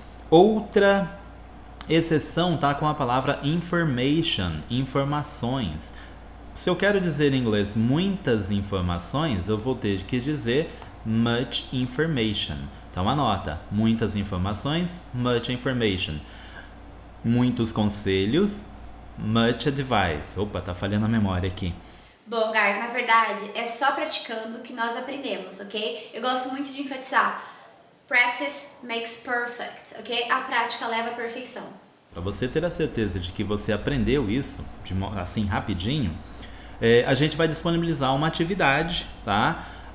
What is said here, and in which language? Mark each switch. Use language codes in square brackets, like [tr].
[pt] Outra exceção tá com a palavra information, informações. Se eu quero dizer em inglês muitas informações, eu vou ter que dizer [en] much information. [pt] Então anota, muitas informações, [en] much information. [pt] Muitos conselhos, [en] much advice. [pt] Opa, tá falhando a memória aqui. Bom, guys, na verdade, é só praticando que nós aprendemos, ok? Eu gosto muito de enfatizar: [en] practice makes perfect, [pt] ok? A prática leva à perfeição. Para você ter a certeza de que você aprendeu isso de, assim rapidinho, a gente vai disponibilizar uma atividade, tá?